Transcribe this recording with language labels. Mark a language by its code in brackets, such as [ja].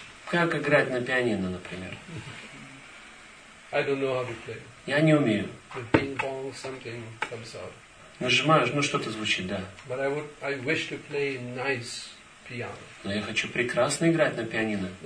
[ru] Как играть на пианино, например? [en] I don't know how to play. [ru] Я не умею. [en] The ping-pong, something comes out. [ru] Нажимаешь, ну что-то звучит, да. [en] But I wish to play nice. [ru] Но я хочу прекрасно играть на пианино.